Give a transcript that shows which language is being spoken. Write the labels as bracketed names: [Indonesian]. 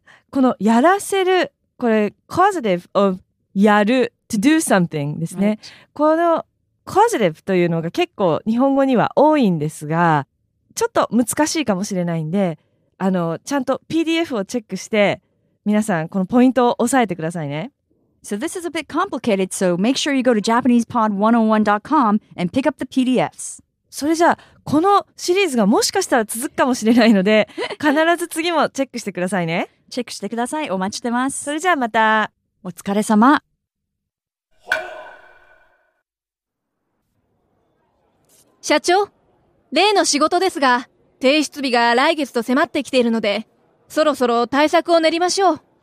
[Japanese] このやらせる、これ、 [English] causative of [Japanese] やる、 [English] to do something [Japanese] ですね。Right. この causative というのが結構日本語には多いんですが、ちょっと難しいかもしれないんで、ちゃんと PDF をチェックして、皆さんこのポイントを押さえてくださいね。 [English] So this is a bit complicated, so make sure you go to JapanesePod101.com and pick up the PDFs. [Japanese] それじゃあ、このシリーズがもしかしたら続くかもしれないので、必ず次もチェックしてくださいね。チェックしてください。お待ちしてます。それじゃあまた。お疲れ様。社長、例の仕事ですが、提出日が来月と迫ってきているので、そろそろ対策を練りましょう。